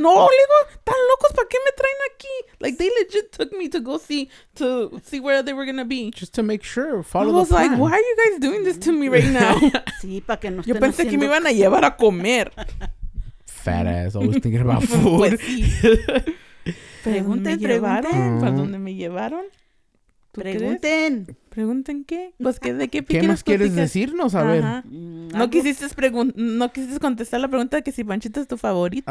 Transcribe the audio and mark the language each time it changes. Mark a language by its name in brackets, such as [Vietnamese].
[Spanish] No, le digo, tan locos, ¿para qué me traen aquí? [English] Like, they legit took me to go see where they were going to be. Just to make sure, follow the plan. I was like, why are you guys doing this to me right now? [Spanish] Sí, para que no estén. Yo pensé que me iban a llevar a comer. [English] Fat ass, always thinking about food. [Spanish] Pues sí. Pregunten, ¿para dónde me llevaron? Pregunten. ¿Pregunten qué? Pues que, ¿de qué piquen? ¿Qué más quieres decirnos? A ver. ¿No quisiste, no quisiste contestar la pregunta de que si Panchito es tu favorito?